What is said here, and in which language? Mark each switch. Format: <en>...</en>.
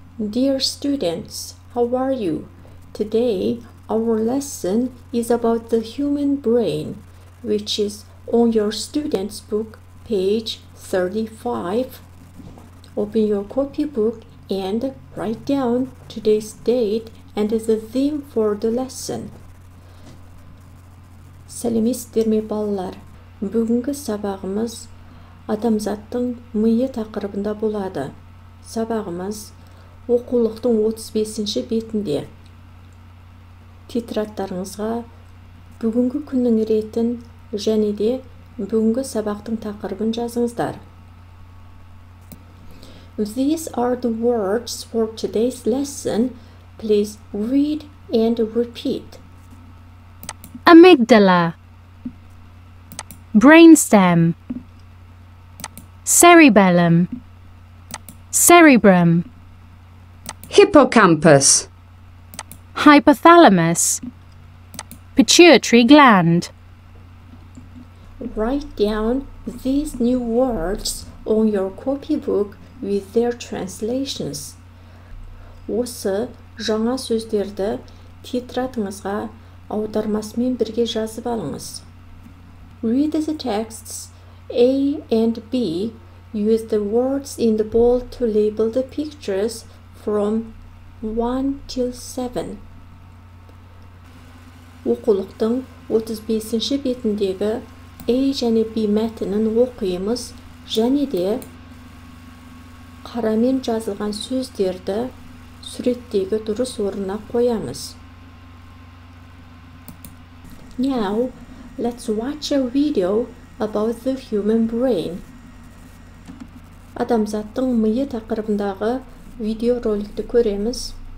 <en>Dear students, how are you? Today, our lesson is about the human brain, which is on your student's book, page 35. Open your copybook and write down today's date and the theme for the lesson.</en> <kk>Сәлеметсіздер ме, балалар? Бүгінгі сабағымыз адамзаттың миы тақырыбында болады. Сабағымыз оқулықтың 35-ші бетінде. Тетрадтарыңызға бүгінгі күннің ретін және де бүгінгі сабақтың тақырыбын жазыңыздар.</kk> <en>These are the words for today's lesson. Please read and repeat. Amygdala, brainstem, cerebellum, cerebrum, hippocampus, hypothalamus, pituitary gland. Write down these new words on your copybook with their translations.</en> <kk>Осы жаңа сөздерді тетрадыңызға аудармасымен бірге жазып алыңыз.</kk> <en>Read the texts A and B. Use the words in the bold to label the pictures from 1 till 7.</en> <kk>Оқулықтың 35-ші бетіндегі A және B мәтінін оқиымыз және де қарамен жазылған сөздерді суреттегі дұрыс орнына қоямыз.</kk> <en>Now, let's watch a video about the human brain.</en> <kk>Адамзаттың миы тақырыбындағы видео роликті көреміз.</kk>